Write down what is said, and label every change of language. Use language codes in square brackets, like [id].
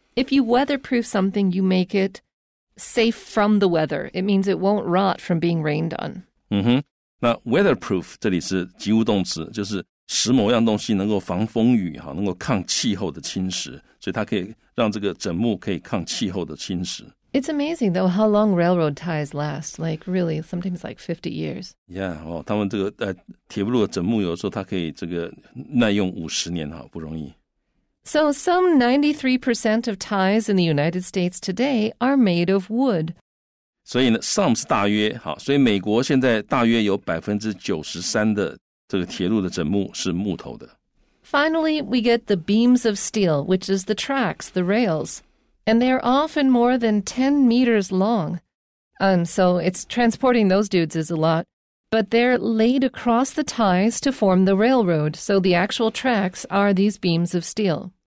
[en] If you weatherproof something, you make it safe from the weather. It means it won't rot from being rained on. [zh] 嗯哼，那 weatherproof 这里是及物动词，就是使某样东西能够防风雨，能够抗气候的侵蚀，所以它可以让这个枕木可以抗气候的侵蚀。 [en] It's amazing, though, how long railroad ties last. Like, really, sometimes like 50 years. [zh] Yeah, 哦，他们这个铁路的枕木有时候它可以这个耐用50年，哈，不容易。 [en] So some 93% of ties in the United States today are made of wood. [zh] 所以呢 some 是大约，好，所以美国现在大约有 93% 的这个铁路的枕木是木头的。 [en] Finally, we get the beams of steel, which is the tracks, the rails. And they are often more than 10 meters long. So it's transporting those dudes is a lot. But they're laid across the ties to form the railroad. So the actual tracks are these beams of steel.